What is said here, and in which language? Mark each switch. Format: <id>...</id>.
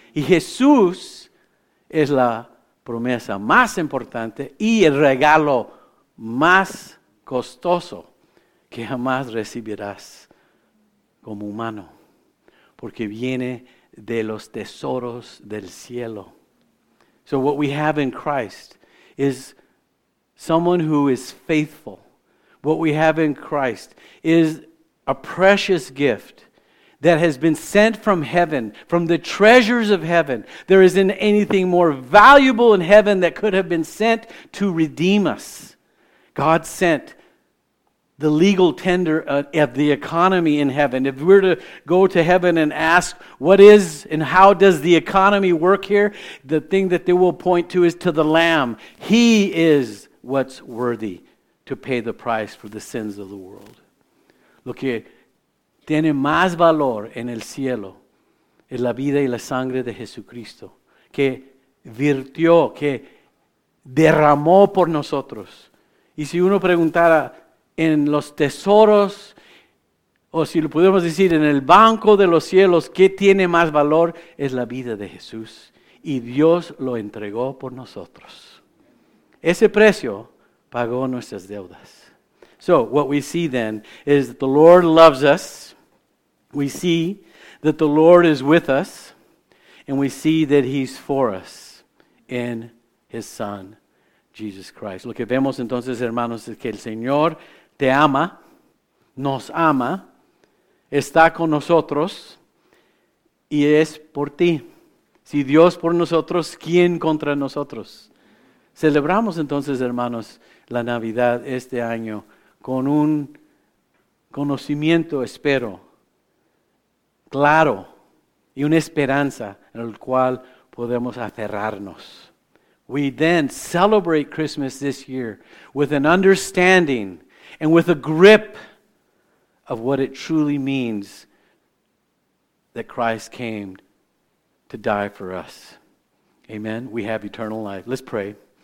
<es>Y Jesús es la promesa más importante y el regalo más costoso que jamás recibirás como humano, porque viene de los tesoros del cielo.</es> <en>So what we have in Christ is someone who is faithful. What we have in Christ is a precious gift that has been sent from heaven, from the treasures of heaven. There isn't anything more valuable in heaven that could have been sent to redeem us. God sent the legal tender of the economy in heaven. If we were to go to heaven and ask what is and how does the economy work here, the thing that they will point to is to the Lamb. He is what's worthy to pay the price for the sins of the world.</en> <es>Lo que tiene más valor en el cielo es la vida y la sangre de Jesucristo, que virtió, que derramó por nosotros. Y si uno preguntara en los tesoros, o si lo podemos decir en el banco de los cielos, ¿qué tiene más valor? Es la vida de Jesús. Y Dios lo entregó por nosotros. Ese precio pagó nuestras deudas.</es> <en>So, what we see then is that the Lord loves us. We see that the Lord is with us. And we see that He's for us in His Son, Jesus Christ.</en> <es>Lo que vemos entonces, hermanos, es que el Señor te ama, nos ama, está con nosotros y es por ti. Si Dios por nosotros, ¿quién contra nosotros? Celebramos entonces, hermanos, la Navidad este año con un conocimiento, espero, claro, y una esperanza en el cual podemos aferrarnos.</es> <en>We then celebrate Christmas this year with an understanding and with a grip of what it truly means that Christ came to die for us. Amen. We have eternal life. Let's pray.</en>